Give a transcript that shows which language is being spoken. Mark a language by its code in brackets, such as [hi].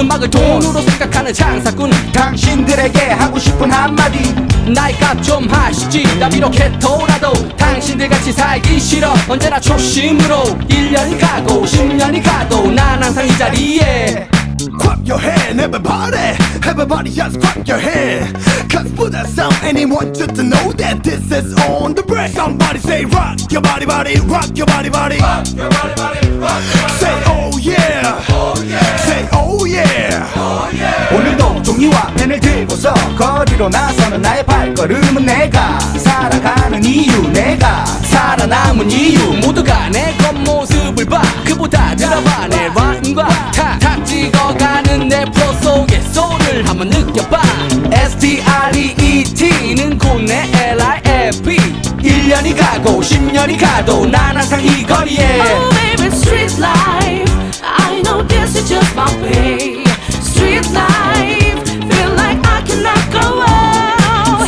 [ko] 음악을 돈으로 생각하는 장사꾼 당신들에게 하고 싶은 한마디 나의 값 좀 하시지 나 비록 해토라도 당신들 같이 살기 싫어 언제나 초심으로 1년 가고 10년이 가도 난 항상 이 자리에 [en] Clap your hand, everybody. Everybody just clap your hand. Cause Buda Sound, anyone just to know that this is on the break. Somebody say rock your body, body, rock your body, body. Rock your body, body, rock your body. Say oh yeah. Oh yeah. Say oh yeah. Oh yeah. [ko] 오늘도 종이와 펜을 들고서 거리로 나서는 나의 발걸음은 내가 살아가는 이유, 내가 살아남은 이유. 모두가 내 겉모습을 봐. 그보다 들어봐 내 rhyme과 탁탁 찍어. 가는 내 프로 속의 소울을 한번 느껴봐 S.T.R.E.E.T 는 곧내 L.I.F.E 1년이 가고 10년이 가도 난 항상 이 거리에 [en] Oh baby street life I know this is just my way Street life Feel like I cannot go on